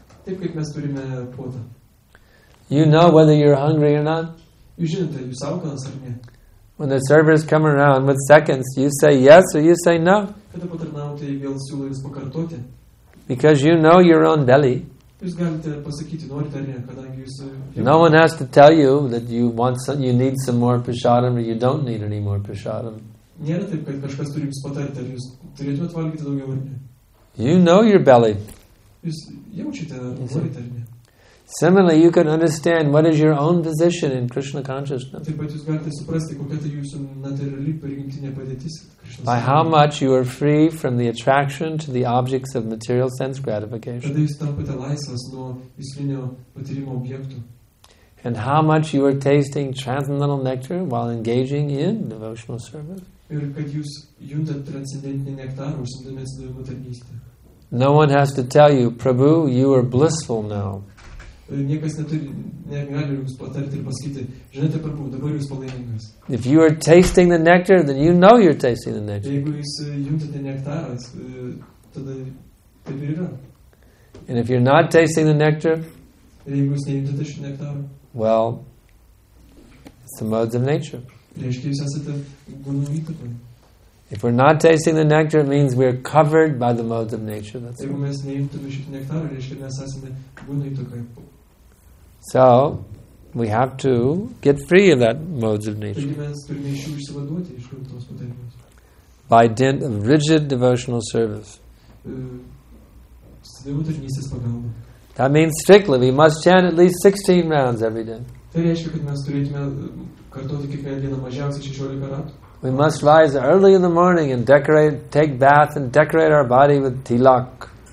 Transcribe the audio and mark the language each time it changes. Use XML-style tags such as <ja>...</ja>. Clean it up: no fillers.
<lt>Taip, kaip mes turime puodą.</lt> <en>You know whether you're hungry or not?</en> <lt>Jūs žinote, jūs alkanas ar ne?</lt> <en>When the servers come around with seconds, you say yes or you say no.</en> <lt>Kada patarnautojai vėl siūlo jums pakartoti?</lt> <en>Because you know your own belly.</en> <lt>Jūs galite pasakyti, norite ar ne, kadangi jūs...</lt> <en>No one has to tell you that you want some, you need some more prasadam or you don't need any more prasadam.</en> <lt>Nėra taip, kad kažkas turi jums patarti, ar jūs turėtumėt valgyti daugiau ar ne?</lt> <en>You know your belly.</en> <lt>Jūs jaučiate, norite ar ne?</lt> <en>Similarly, you can understand what is your own position in Krishna consciousness.</en> <lt>Taip pat jūs galite suprasti, kokia tai jūsų natūrali prigimtinė padėtis.</lt> <en>By how much you are free from the attraction to the objects of material sense gratification.</en> <lt>Kada jūs tampate laisvas nuo juslinio patyrimo objektų.</lt> <en>And how much you are tasting transcendental nectar while engaging in devotional service.</en> <lt>Ir kad jūs juntat transcendentinį nektarą užsiimdamiesi devotinės tarnystės.</lt> <en>No one has to tell you, Prabhu, you are blissful now.</en> <lt>Niekas neturi, negali jums patarti ir pasakyti, žinote, Prabhu, dabar jūs palaimingas.</lt> <en>If you are tasting the nectar, then you know you're tasting the nectar.</en> <lt>Jeigu jūs juntate nektarą, tada taip ir yra.</lt> <en>And if you're not tasting the nectar,</en> <lt>jeigu jūs nejuntate šį nektarą,</lt> <en>well, it's the modes of nature.</en> <lt>Reiškia, jūs esate gunų įtakoje.</lt> <en>If we're not tasting the nectar, it means we're covered by the modes of nature. That's</en> <lt>jeigu mes neimtume šį nektarą, reiškia, mes esame gunų įtakoje.</lt> <en>So, we have to get free of that modes of nature.</en> <lt>Taigi mes turime iš jų išsivaduoti iš gamtos patarimus.</lt> <en>By dint of rigid devotional service.</en> <lt>Savo tarnystės pagalba.</lt> <en>That means strictly, we must chant at least 16 rounds every day.</en> <lt>Tai reiškia, kad mes turėtume kartuoti kiekvieną dieną mažiausiai 16 ratų.</lt> <en>We must rise early in the morning and decorate, take bath and decorate our body with tilak.</en>